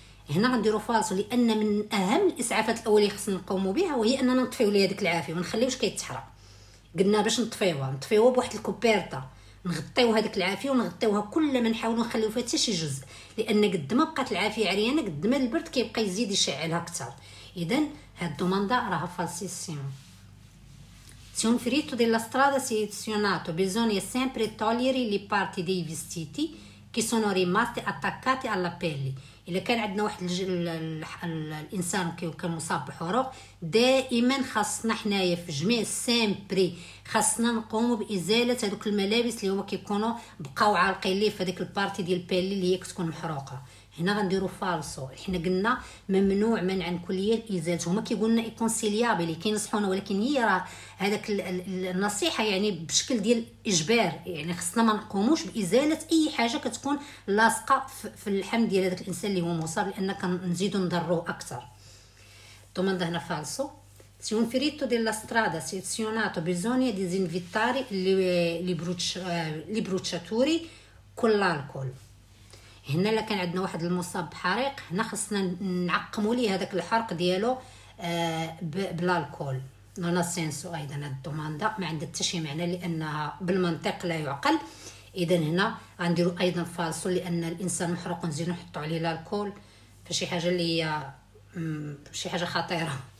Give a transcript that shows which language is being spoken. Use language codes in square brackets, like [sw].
[ar] هنا غنديرو فالص، لان من اهم الاسعافات الاوليه خصنا نقوموا بها وهي اننا نطفيو لي هذيك العافيه وما نخليوش كيتحرق. قلنا باش نطفيوها بواحد الكوبيرتا، نغطيو هذيك العافيه ونغطيوها كل ما نحاولوا نخليو فيها حتى شي جزء، لان قد ما بقات العافيه عريانه قد ما البرد كيبقى يزيد يشعلها اكثر. اذا هاد الدوماندا راها فالسيسيمو. [it] Se un ferito della strada si è ozionato, bisogna sempre togliere le parti dei vestiti che sono rimaste attaccate alla pelle. [ar] إذا كان عندنا واحد الإنسان كان مصاب بحروق، دائما خاصنا حنايا في جميع سامبري خاصنا نقوموا بإزالة هذوك الملابس اللي هما كيكونوا بقاو عالقين ليه في هذيك البارتي ديال بيلي اللي هي كتكون محروقة. هنا غنديرو فالسو، حنا قلنا ممنوع منعا كليا ازالته، هما كيقولنا ايكونسيليابلي كينصحونا، ولكن هي راه هذاك النصيحه يعني بشكل ديال اجبار، يعني خصنا ما نقوموش بازاله اي حاجه كتكون لاصقه في اللحم ديال هذاك الانسان اللي هو مصاب، لان كنزيدو نضروه اكثر. طوماند هنا فالسو. [it] Se un ferito della strada si è ozionato, bisogna disinfettare le bruciature con l'alcol. [ar] هنا الا كان عندنا واحد المصاب بحريق، هنا خصنا نعقموا ليه هذاك الحرق ديالو بالالكول. نونا سينسو ايضا هاد الدوماندا ما عندها حتى شي معنى، لانها بالمنطق لا يعقل. اذا هنا غنديروا ايضا فالسو، لان الانسان محروق نزيدو نحطو عليه الالكول فشي حاجه اللي هي شي حاجه خطيره.